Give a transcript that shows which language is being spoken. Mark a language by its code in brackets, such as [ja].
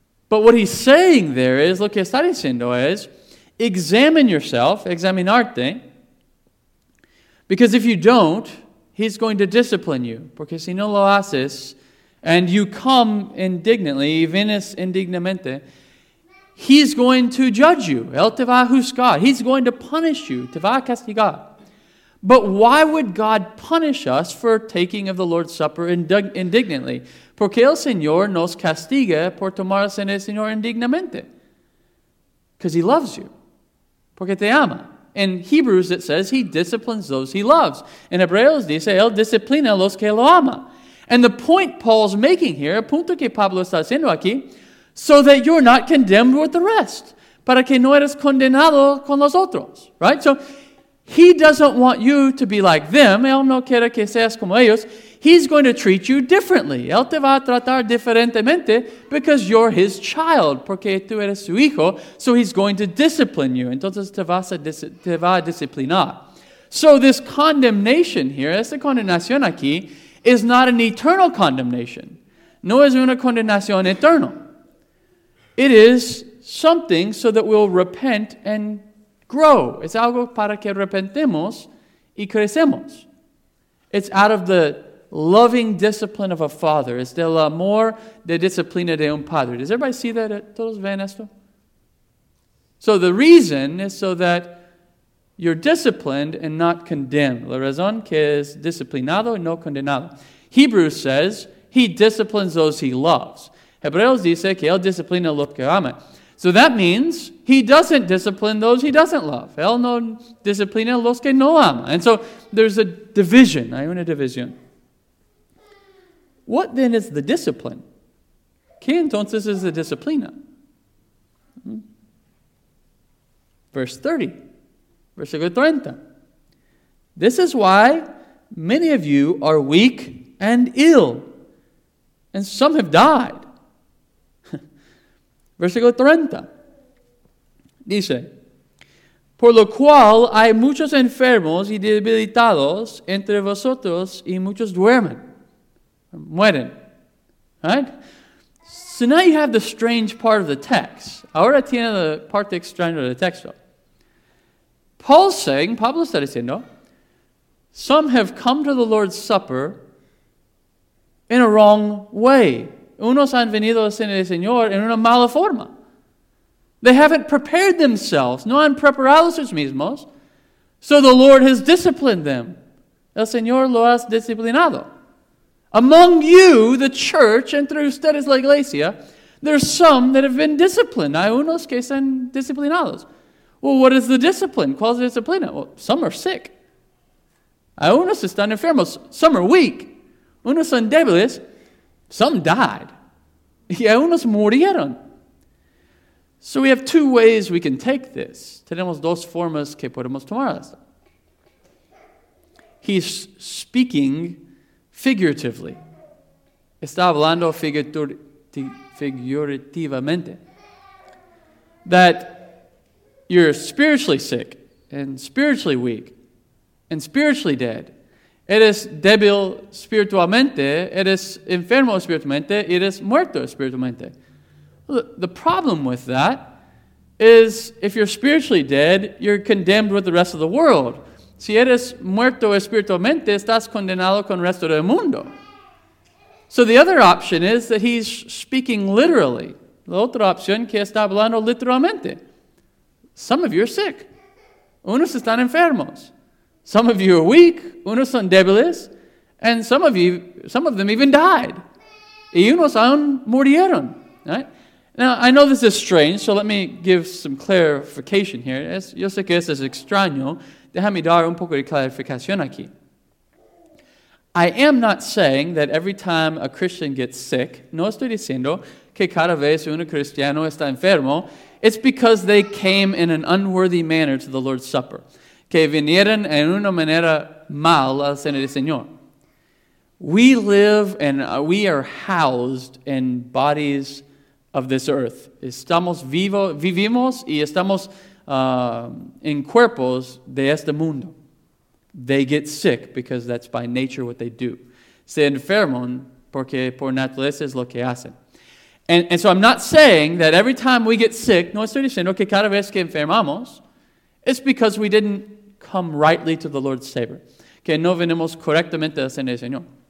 [en] But what he's saying there is, [es] lo que está diciendo es, [en] examine yourself, [es] examinarte, [en] because if you don't, he's going to discipline you, [es] porque si no lo haces, [en] and you come indignantly, [es] vienes indignamente, [en] he's going to judge you. [es] Él te va a juzgar. [en] He's going to punish you. [es] Te va a castigar. [en] But why would God punish us for taking of the Lord's Supper indignantly? [es] Porque el Señor nos castiga por tomar en el Señor indignamente. [en] Because He loves you. [es] Porque te ama. [en] In Hebrews it says He disciplines those He loves. In [es] Hebreos dice, Él disciplina los que lo ama. [en] And the point Paul's making here, [es] el punto que Pablo está haciendo aquí, [en] so that you're not condemned with the rest. [es] Para que no eres condenado con los otros. [en] Right? So, He doesn't want you to be like them. [es] Él no quiere que seas como ellos. [en] He's going to treat you differently. [es] Él te va a tratar diferentemente [en] because you're his child, [es] porque tú eres su hijo. [en] So he's going to discipline you. [es] Entonces te va a disciplinar. [en] So this condemnation here, [es] esta condenación aquí, [en] is not an eternal condemnation. [es] No es una condenación eterna. [en] It is something so that we'll repent and grow. [es] It's algo para que arrepentemos y crecemos. [en] It's out of the loving discipline of a father. [es] Es del amor de disciplina de un padre. [en] Does everybody see that? [es] ¿Todos ven esto? [en] So the reason is so that You're disciplined and not condemned. [es] La razón que es disciplinado y no condenado. [en] Hebrews says, he disciplines those he loves. [es] Hebreos dice que él disciplina los que ama. [en] So that means he doesn't discipline those he doesn't love. [es] Él no disciplina los que no ama. [en] And so there's a division. [es] Hay una división. [en] What then is the discipline? [es] ¿Qué entonces es la disciplina? [en] Verse 30. [es] Versículo 30. [en] This is why many of you are weak and ill, and some have died. [es] Versículo 30. Dice, por lo cual hay muchos enfermos y debilitados entre vosotros y muchos duermen. Mueren. [en] Right? So now you have the strange part of the text. [es] Ahora tiene la parte extraña del texto. [en] Paul's saying, Pablo está diciendo, some have come to the Lord's Supper in a wrong way. [es] Unos han venido a la cena del Señor en una mala forma. [en] They haven't prepared themselves. [es] No han preparado sus mismos. [en] So the Lord has disciplined them. [es] El Señor lo ha disciplinado. [en] Among you, the church, entre ustedes la iglesia, there's some that have been disciplined. [es] Hay unos que son disciplinados. [en] Well, what is the discipline? [es] ¿Cuál es la disciplina? [en] Well, some are sick. [es] Hay unos están enfermos. [en] Some are weak. [es] Unos son débiles. [en] Some died. [es] Y hay unos murieron. [en] So we have two ways we can take this. [es] Tenemos dos formas que podemos tomar esto. [en] He's speaking figuratively. [es] Está hablando figurativamente. [en] That you're spiritually sick and spiritually weak and spiritually dead. [es] Eres débil espiritualmente, eres enfermo espiritualmente, eres muerto espiritualmente. [en] The problem with that is if you're spiritually dead, you're condemned with the rest of the world. [es] Si eres muerto espiritualmente, estás condenado con el resto del mundo. [en] So the other option is that he's speaking literally. [es] La otra opción que está hablando literalmente. [en] Some of you are sick. [es] Unos están enfermos. [en] Some of you are weak. [es] Unos son débiles. [en] And some of them even died. [es] Y unos aún murieron. [en] Right? Now, I know this is strange, so let me give some clarification here. [es] Yo sé que esto es extraño. Déjame dar un poco de clarificación aquí. [en] I am not saying that every time a Christian gets sick, [es] no estoy diciendo que cada vez un cristiano está enfermo, [en] it's because they came in an unworthy manner to the Lord's Supper. [es] Que vinieron en una manera mal a la cena del Señor. [en] We live and we are housed in bodies of this earth. [es] Estamos vivimos y estamos en cuerpos de este mundo. [en] They get sick because that's by nature what they do. [es] Se enferman porque por naturaleza es lo que hacen. [en] And so I'm not saying that every time we get sick, [es] no estoy diciendo que cada vez que enfermamos, [en] it's because we didn't come rightly to the Lord's Supper. [es] Que no venimos correctamente a la cena del Señor.